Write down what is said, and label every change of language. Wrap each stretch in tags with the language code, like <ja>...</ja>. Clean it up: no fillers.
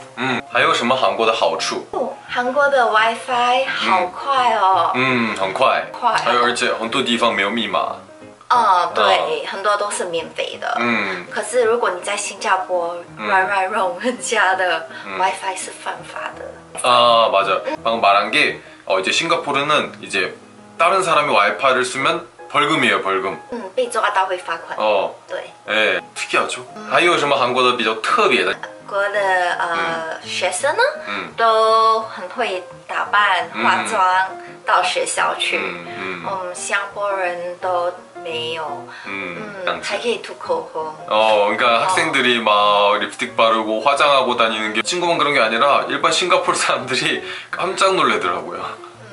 <zh>的。但是这里很多，这里太多了，漂亮的，对，所以很多地方可以拍照。还有什么韩国的好处？韩国的 WiFi 好快哦，很快，还有而且很多地方没有密码。对，很多都是免费的。可是如果你在新加坡 run run run 人家的 WiFi 是犯法的。</zh> <ko>맞아。방금 말한 게 이제 싱가포르는 이제 다른 사람이 와이파이를 쓰면 벌금이에요, 벌금.</ko> <zh>被抓到会罚款.对.</zh> <ko>예. 특이하죠.</ko> <zh>还有什么韩国的比较特别的? 韩国的学生呢，都很会打扮、化妆到学校去。我们新加坡人都没有。还可以涂口红.</zh> <ko>그러니까 학생들이 막 립스틱 바르고 화장하고 다니는 게 친구만 그런 게 아니라 일반 싱가포르 사람들이 깜짝 놀래더라고요.</ko>